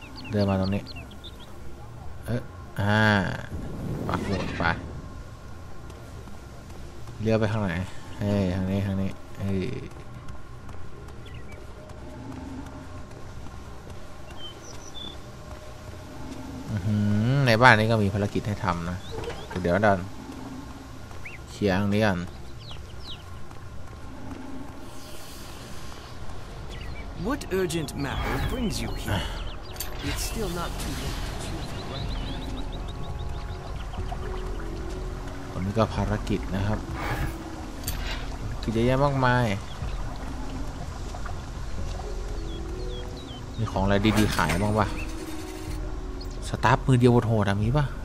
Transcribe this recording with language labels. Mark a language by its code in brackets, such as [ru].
[th] เดินมาตรงนี้ปักหมุดไปเลี้ยวไปข้างไหนเฮ้ยทางนี้เฮ้ย ในบ้านนี้ก็มีภารกิจให้ทำนะเดี๋ยวดันเขียงนี้อ่ะ [en] What urgent matter brings you here? It's still not too late. [th] วันนี้ก็ภารกิจนะครับกิจเยอะมากมายมีของอะไรดีๆขายบ้างป่ะสตาร์ทมือเดียวโหดๆอ่ะมีป่ะ